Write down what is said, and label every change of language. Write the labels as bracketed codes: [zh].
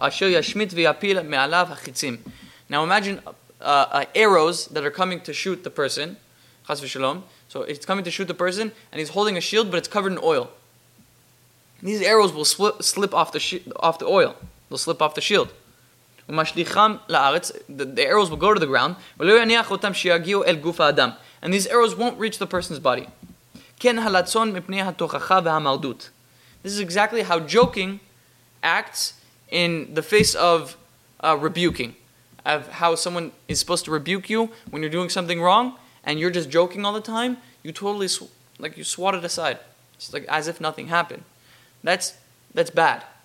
[en] Now imagine arrows that are coming to shoot the person. So it's coming to shoot the person, and he's holding a shield, but it's covered in oil. These arrows will slip off the oil. They'll slip off the shield. [he] ומשליחם לארץ, [en] the arrows will go to the ground, [he] ולא יניח אותם שיגיעו אל גוף האדם. [en] And these arrows won't reach the person's body. [he] כן הלצון מפני התוכחה והמרדות. [en] This is exactly how joking acts in the face of rebuking. Of how someone is supposed to rebuke you when you're doing something wrong, and you're just joking all the time, you totally, you swat it aside. It's like as if nothing happened. That's bad.